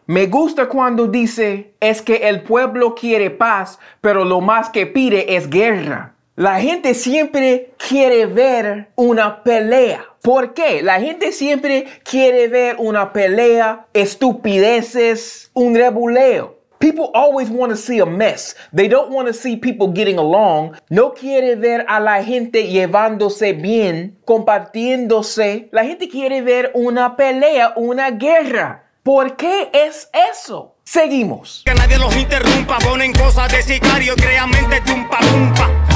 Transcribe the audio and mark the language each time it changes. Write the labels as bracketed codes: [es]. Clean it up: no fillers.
[es] Me gusta cuando dice, es que el pueblo quiere paz, pero lo más que pide es guerra. La gente siempre quiere ver una pelea. ¿Por qué? La gente siempre quiere ver una pelea, estupideces, un rebuleo. [en] People always want to see a mess. They don't want to see people getting along. [es] No quiere ver a la gente llevándose bien, compartiéndose. La gente quiere ver una pelea, una guerra. ¿Por qué es eso? Seguimos. Que nadie los interrumpa, ponen cosas de sicario, crean mente tumpa tumpa.